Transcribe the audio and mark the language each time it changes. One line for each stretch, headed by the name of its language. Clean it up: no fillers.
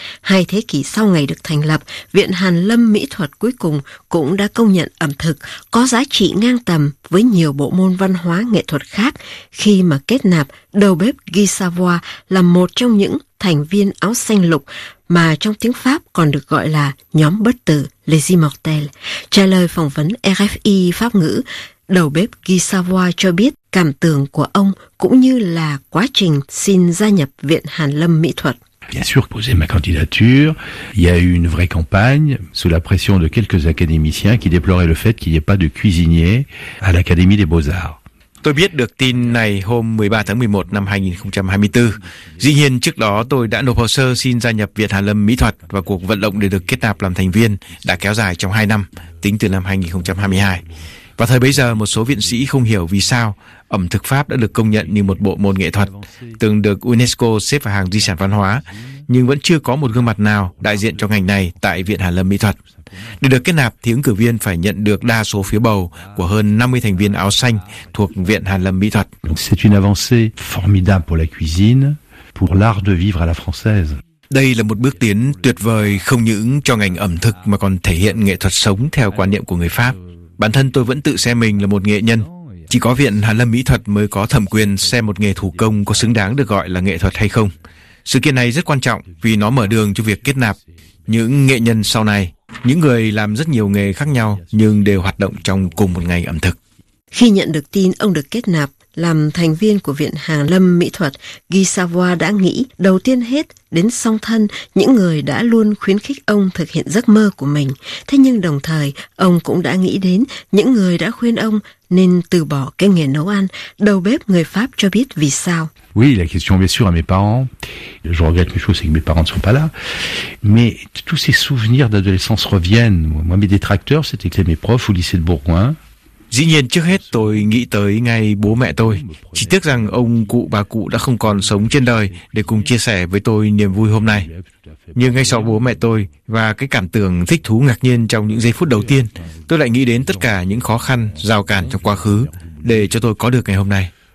Vietnamese: Hai thế kỷ sau ngày được thành lập, Viện Hàn Lâm Mỹ thuật cuối cùng cũng đã công nhận ẩm thực có giá trị ngang tầm với nhiều bộ môn văn hóa nghệ thuật khác khi mà kết nạp đầu bếp Guy Savoy là một trong những thành viên áo xanh lục mà trong tiếng Pháp còn được gọi là nhóm bất tử Les Immortels. Trả lời phỏng vấn RFI Pháp ngữ, đầu bếp Guy Savoy cho biết cảm tưởng của ông cũng như là quá trình xin gia nhập Viện Hàn Lâm Mỹ thuật.
French: Bien sûr, poser ma candidature, il y a eu une vraie campagne sous la pression de quelques académiciens qui déploraient le fait qu'il n'y ait pas de cuisinier à l'Académie des Beaux-Arts.
Vietnamese: Tôi biết được tin này hôm 13 tháng 11 năm 2024. Dĩ nhiên trước đó tôi đã nộp hồ sơ xin gia nhập Viện Hàn Lâm Mỹ thuật và cuộc vận động để được kết nạp làm thành viên đã kéo dài trong 2 năm, tính từ năm 2022. Và thời bấy giờ một số viện sĩ không hiểu vì sao ẩm thực Pháp đã được công nhận như một bộ môn nghệ thuật, từng được UNESCO xếp vào hàng di sản văn hóa, nhưng vẫn chưa có một gương mặt nào đại diện cho ngành này tại Viện Hàn Lâm Mỹ thuật. Để được kết nạp thì ứng cử viên phải nhận được đa số phiếu bầu của hơn 50 thành viên áo xanh thuộc Viện Hàn Lâm Mỹ thuật.
French: C'est une avancée formidable pour la cuisine, pour l'art de vivre à la française.
Vietnamese: Đây là một bước tiến tuyệt vời không những cho ngành ẩm thực mà còn thể hiện nghệ thuật sống theo quan niệm của người Pháp. Bản thân tôi vẫn tự xem mình là một nghệ nhân. Chỉ có Viện Hàn Lâm Mỹ thuật mới có thẩm quyền xem một nghề thủ công có xứng đáng được gọi là nghệ thuật hay không. Sự kiện này rất quan trọng vì nó mở đường cho việc kết nạp những nghệ nhân sau này, những người làm rất nhiều nghề khác nhau nhưng đều hoạt động trong cùng một ngành ẩm thực. Khi nhận được tin ông được kết nạp làm thành viên của Viện Hàn Lâm Mỹ thuật, Guy Savoy đã nghĩ đầu tiên hết đến song thân, những người đã luôn khuyến khích ông thực hiện giấc mơ của mình. Thế nhưng đồng thời, ông cũng đã nghĩ đến những người đã khuyên ông nên từ bỏ cái nghề nấu ăn. Đầu bếp người Pháp cho biết vì sao.
French: Oui, la question bien sûr à mes parents. Je regrette une chose, c'est que mes parents ne sont pas là. Mais tous ces souvenirs d'adolescence reviennent. Moi, mes détracteurs, c'était mes profs au lycée de Bourgoin.
Vietnamese: Dĩ nhiên trước hết tôi nghĩ tới ngay bố mẹ tôi. Chỉ tiếc rằng ông cụ bà cụ đã không còn sống trên đời để cùng chia sẻ với tôi niềm vui hôm nay. Nhưng ngay sau bố mẹ tôi và cái cảm tưởng thích thú ngạc nhiên trong những giây phút đầu tiên, tôi lại nghĩ đến tất cả những khó khăn, rào cản trong quá khứ để cho tôi có được ngày hôm nay.